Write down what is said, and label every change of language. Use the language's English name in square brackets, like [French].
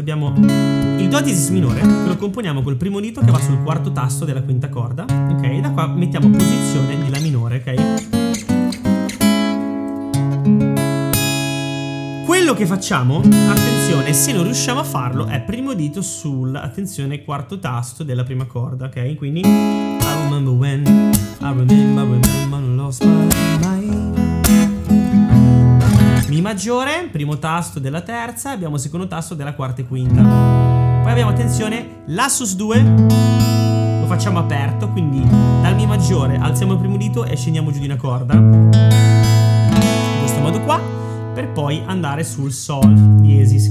[Italian] Abbiamo il Do diesis minore, che lo componiamo col primo dito che va sul quarto tasto della quinta corda. Ok, da qua mettiamo posizione di La minore, ok? Quello che facciamo, attenzione, se non riusciamo a farlo, è primo dito sul, attenzione, quarto tasto della prima corda, ok? [English] Quindi I remember when, I remember when I lost my mind. [Italian] Mi maggiore, primo tasto della terza, abbiamo secondo tasto della quarta e quinta. Poi abbiamo, attenzione, La sus 2, lo facciamo aperto, quindi dal Mi maggiore alziamo il primo dito e scendiamo giù di una corda. In questo modo qua, per poi andare sul Sol diesis.